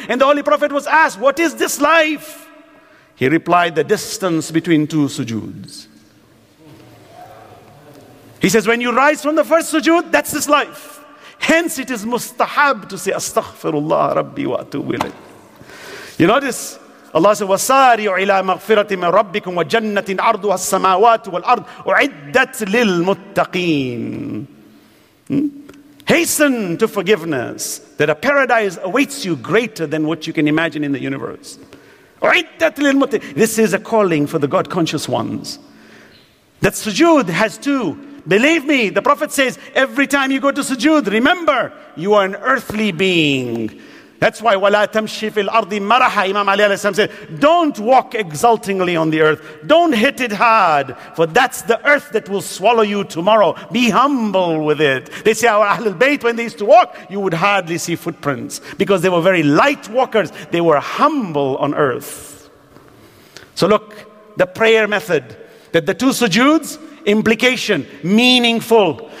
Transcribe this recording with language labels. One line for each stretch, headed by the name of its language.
English: And the Holy Prophet was asked, what is this life? He replied, the distance between two sujoods. He says, when you rise from the first sujood, that's this life. Hence, it is mustahab to say,
Arabic: Astaghfirullah Rabbi wa atubu ilayh.
English: You notice, Allah says,
Arabic: وَسَارِعُ إِلَىٰ مَغْفِرَةِ مِنْ رَبِّكُمْ وَجَنَّةٍ عَرْضُهَا السَّمَاوَاتُ وَالْأَرْضُ أُعِدَّتْ لِلْمُتَّقِينَ.
English: Hasten to forgiveness, that a paradise awaits you greater than what you can imagine in the universe.
Arabic: أُعِدَّتْ لِلْمُتَّقِينَ.
English: This is a calling for the God-conscious ones. That sujood has two. Believe me, the Prophet says, every time you go to sujood, remember, you are an earthly being. That's why,
Arabic: وَلَا تَمْشِي فِي الْأَرْضِ مَرَحَ.
English: Imam Ali alayhi salam said, don't walk exultingly on the earth. Don't hit it hard, for that's the earth that will swallow you tomorrow. Be humble with it. They say, our Ahlulbayt, when they used to walk, you would hardly see footprints, because they were very light walkers. They were humble on earth. So look, the prayer method, that the two sujoods, implication, meaningful.